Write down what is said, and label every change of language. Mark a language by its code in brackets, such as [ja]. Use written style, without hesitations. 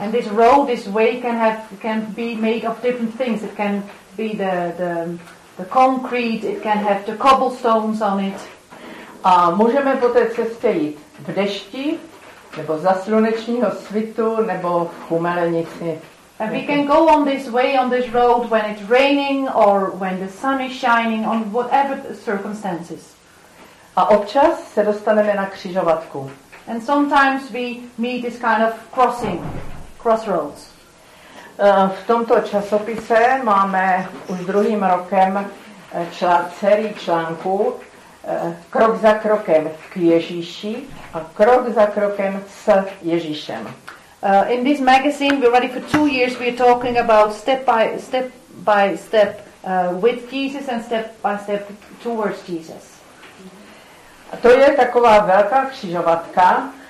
[en] And this road, this way can be made of different things. It can be the concrete, it can have the cobblestones on it. [cs] A můžeme po té cestě jít v dešti, nebo za slunečního svitu, nebo v chumelenici. [en] And we can go on this way, on this road, when it's raining or when the sun is shining, on whatever circumstances. [cs] A občas se dostaneme na křižovatku. [en] And sometimes we meet this kind of crossing, crossroads. [cs] V tomto časopise máme už druhým rokem celý článku Krok za krokem k Ježíši a krok za krokem s Ježíšem. [en] In this magazine, we're ready for 2 years. We're talking about step by step with Jesus and step by step towards Jesus. [cs] A to je taková velká křižovatka.